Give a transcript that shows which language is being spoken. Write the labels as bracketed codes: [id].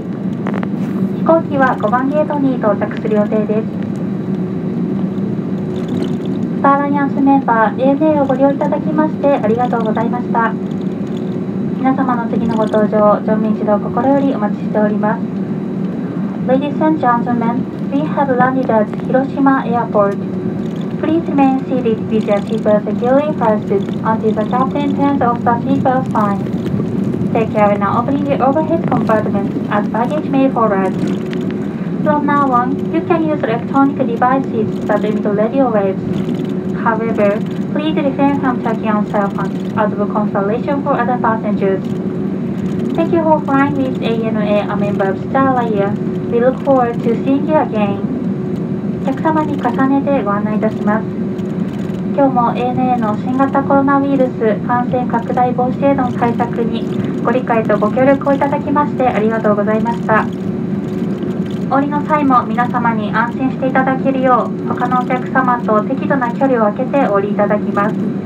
[ja] 飛行機は5番ゲートに到着する予定です。スターアライアンスメンバー ANA をご利用いただきましてありがとうございました。皆様の次のご搭乗乗務員一同心よりお待ちしております。 [en] Ladies and gentlemen, we have landed at Hiroshima Airport. Please remain seated with your seatbelt securely fastened until the captain turns off the seatbelt sign. Take care in opening the overhead compartments as baggage may fall out. From now on, you can use electronic devices that emit radio waves. However, please refrain from checking on cell phones as a consolation for other passengers. Thank you for flying with ANA, a member of Starlayer. We look forward to seeing you again. [ja] 客様に重ねてご案内いたします。今日も ANA の新型コロナウイルス感染拡大防止への対策にご理解とご協力をいただきましてありがとうございました。降りの際も皆様に安心していただけるよう、他のお客様と適度な距離を空けてお降りいただきます。